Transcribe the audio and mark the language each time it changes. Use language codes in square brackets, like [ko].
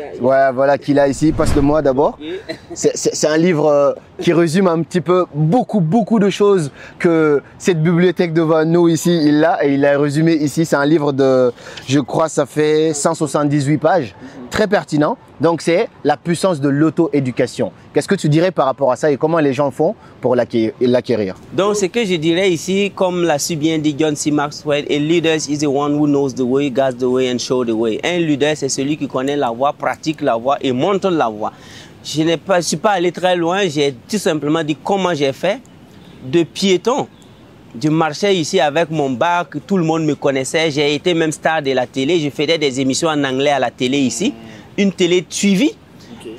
[fr] Voilà, qu'il a ici. Passe-le-moi d'abord. C'est un livre qui résume un petit peu beaucoup de choses que cette bibliothèque devant nous ici, il l'a et il l'a résumé ici. C'est un livre de, je crois, ça fait 178 pages. Très pertinent. Donc, c'est la puissance de l'auto-éducation. Qu'est-ce que tu dirais par rapport à ça et comment les gens font pour l'acquérir? Donc, ce que je dirais ici, comme l'a si bien dit John C. [en] Maxwell, a leader is the one who knows the way, guides the way and shows the way. [fr] Un leader, c'est celui qui connaît la voie, pratique la voie et montre la voie. Je ne suis pas allé très loin. J'ai tout simplement dit comment j'ai fait de piéton. Je marchais ici avec mon bac, tout le monde me connaissait. J'ai été même star de la télé. Je faisais des émissions en anglais à la télé ici. Une télé suivie. Okay.